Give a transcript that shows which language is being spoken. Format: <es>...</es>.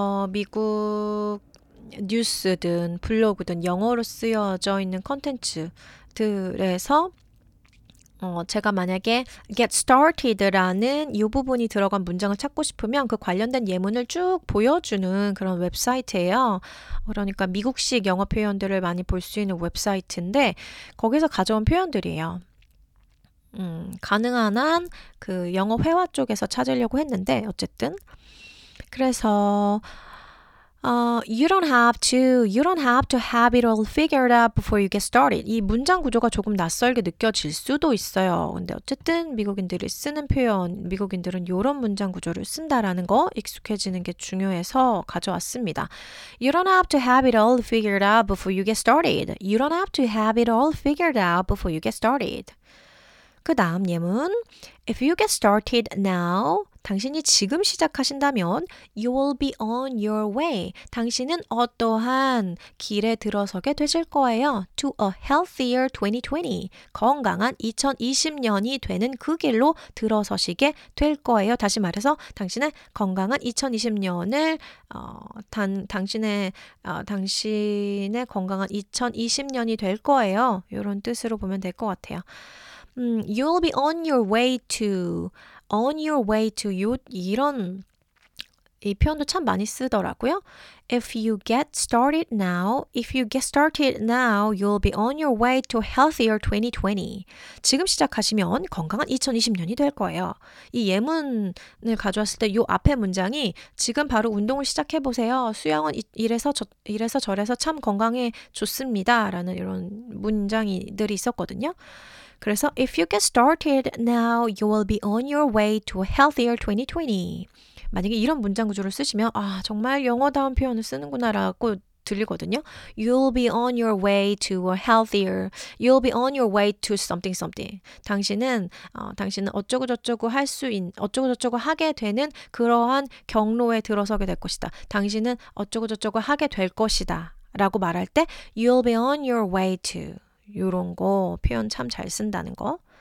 <ko>미국 뉴스든 블로그든 영어로 쓰여져 있는 콘텐츠들에서 제가 만약에 get started라는 이 부분이 들어간 문장을 찾고 싶으면 그 관련된 예문을 쭉 보여주는 그런 웹사이트예요. 그러니까 미국식 영어 표현들을 많이 볼 수 있는 웹사이트인데 거기서 가져온 표현들이에요. 가능한 한 그 영어 회화 쪽에서 찾으려고 했는데 어쨌든 그래서</ko> <en>You don't have to have it all figured out before you get started.</en> <ko>이 문장 구조가 조금 낯설게 느껴질 수도 있어요. 근데 어쨌든 미국인들이 쓰는 표현, 미국인들은 이런 문장 구조를 쓴다라는 거 익숙해지는 게 중요해서 가져왔습니다.</ko> <en>You don't have to have it all figured out before you get started. You don't have to have it all figured out before you get started.</en> <ko>그 다음 예문,</ko> <en>If you get started now,</en> <ko>당신이 지금 시작하신다면</ko> <en>You will be on your way.</en> <ko>당신은 어떠한 길에 들어서게 되실 거예요.</ko> <en>To a healthier 2020.</en> <ko>건강한 2020년이 되는 그 길로 들어서시게 될 거예요. 다시 말해서 당신의 건강한 2020년을 당신의 건강한 2020년이 될 거예요. 이런 뜻으로 보면 될 것 같아요.</ko> <en>You'll be on your way to, on your way to,</en> <ko>이런 이 표현도 참 많이 쓰더라고요.</ko> <en>If you get started now, if you get started now, you'll be on your way to healthier 2020.</en> <ko>지금 시작하시면 건강한 2020년이 될 거예요. 이 예문을 가져왔을 때 이 앞에 문장이 지금 바로 운동을 시작해보세요. 수영은 이래서 저래서 참 건강에 좋습니다. 라는 이런 문장들이 있었거든요.</ko> <en>그래서 If you get started now, you will be on your way to a healthier 2020.</en> <ko>만약에 이런 문장 구조를 쓰시면 아 정말 영어다운 표현을 쓰는구나라고 들리거든요.</ko> <en>You'll be on your way to a healthier. You'll be on your way to something something.</en> <ko>당신은 어쩌고저쩌고 하게 되는 그러한 경로에 들어서게 될 것이다. 당신은 어쩌고저쩌고 하게 될 것이다. 라고 말할 때</ko> <en>You'll be on your way to.</en> <ko>이런 거 표현 참 잘 쓴다는 거.</ko>